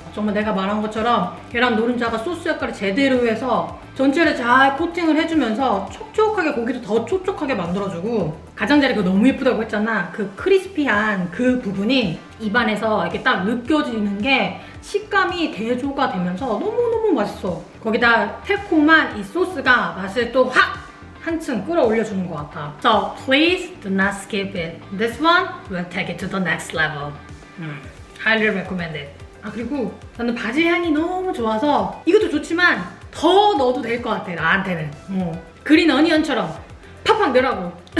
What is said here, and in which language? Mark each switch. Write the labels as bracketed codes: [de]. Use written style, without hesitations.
[ko] 정말 내가 말한 것처럼 계란 노른자가 소스 역할을 제대로 해서 전체를 잘 코팅을 해주면서 촉촉하게 고기도 더 촉촉하게 만들어주고 가장자리가 너무 예쁘다고 했잖아. 그 크리스피한 그 부분이 입안에서 이렇게 딱 느껴지는 게 식감이 대조가 되면서 너무너무 맛있어. 거기다 새콤한 이 소스가 맛을 또 확 한층 끌어올려주는 것 같아. [en] So please do not skip it. This one will take it to the next level. Highly recommended. [ko] 아 그리고 나는 바질 향이 너무 좋아서 이것도 좋지만 더 넣어도 될 것 같아 나한테는. 그린 어니언처럼 팍팍 넣으라고.